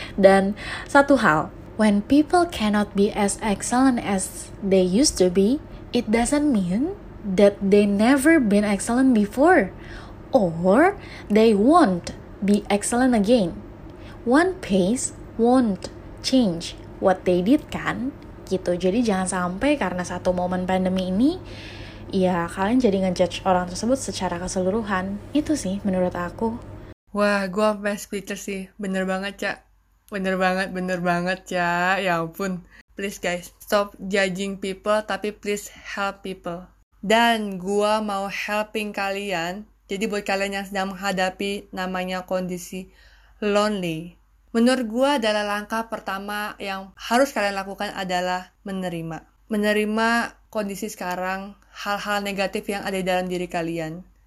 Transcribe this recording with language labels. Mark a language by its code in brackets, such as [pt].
[en] Dan satu hal, when people cannot be as excellent as they used to be, it doesn't mean that they never been excellent before, or they won't be excellent again. One pace won't change what they did, kan? [id] Gitu. Jadi jangan sampai karena satu momen pandemi ini, ya kalian jadi ngejudge orang tersebut secara keseluruhan. Itu sih menurut aku. Wah, gua [en] best speaker [id] sih. Bener banget, Cak. Bener banget, Cak. Ya ampun. [en] Please guys, stop judging people, tapi please help people. [id] Dan gua mau helping kalian. Jadi buat kalian yang sedang menghadapi namanya kondisi lonely, menurut gue adalah langkah pertama yang harus kalian lakukan adalah menerima. Menerima kondisi sekarang, hal-hal negatif yang ada di dalam diri kalian.